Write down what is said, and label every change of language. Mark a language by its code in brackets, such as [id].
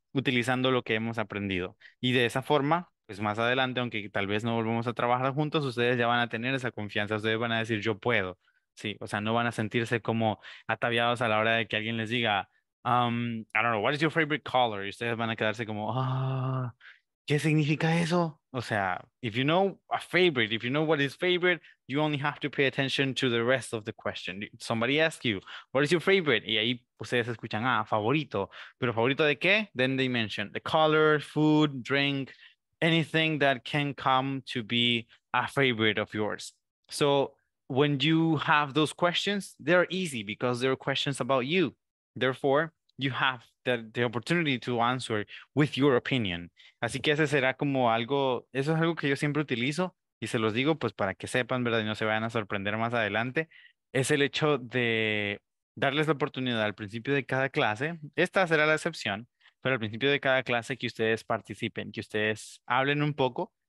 [es] utilizando lo que hemos aprendido. Y de esa forma, pues más adelante, aunque tal vez no volvamos a trabajar juntos, ustedes ya van a tener esa confianza, ustedes van a decir, yo puedo. Sí, o sea, no van a sentirse como ataviados a la hora de que alguien les diga, [en] I don't know, what is your favorite color? [es] Y ustedes van a quedarse como, ¿qué significa eso? O sea, [en] if you know a favorite, if you know what is favorite, you only have to pay attention to the rest of the question. Somebody asks you, what is your favorite? [es] Y ahí ustedes escuchan, favorito. ¿Pero favorito de qué? [en] Then they mention the color, food, drink, anything that can come to be a favorite of yours. So when you have those questions, they're easy because they're questions about you. Therefore, you have the opportunity to answer with your opinion. [es] Así que ese será como algo, eso es algo que yo siempre utilizo y se los digo pues para que sepan, ¿verdad? Y no se vayan a sorprender más adelante. Es el hecho de darles la oportunidad al principio de cada clase. Esta será la excepción, pero al principio de cada clase que ustedes participen, que ustedes hablen un poco.